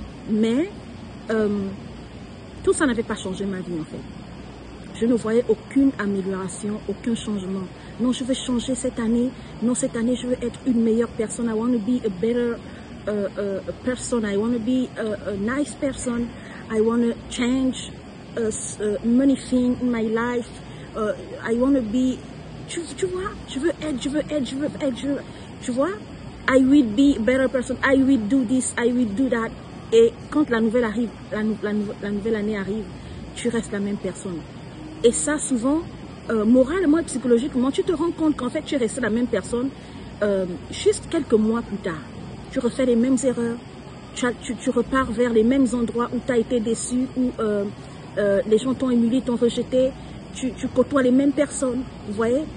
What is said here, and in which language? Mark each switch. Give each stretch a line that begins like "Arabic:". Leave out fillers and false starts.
French: Mais tout ça n'avait pas changé ma vie en fait. Je ne voyais aucune amélioration, aucun changement. Non, je veux changer cette année. Non, cette année, je veux être une meilleure personne.
English: I want to be a better person. I want to be a nice person. I want to change many things in my life. I want to be...
French: Tu vois? Je veux être.
English: I will be a better person. I will do this. I will do that.
French: Et quand la nouvelle arrive, la nouvelle année arrive, tu restes la même personne. Et ça, souvent, moralement et psychologiquement, tu te rends compte qu'en fait, tu es resté la même personne juste quelques mois plus tard. Tu refais les mêmes erreurs, tu repars vers les mêmes endroits où tu as été déçu, où les gens t'ont humilié, t'ont rejeté, tu côtoies les mêmes personnes. Vous voyez?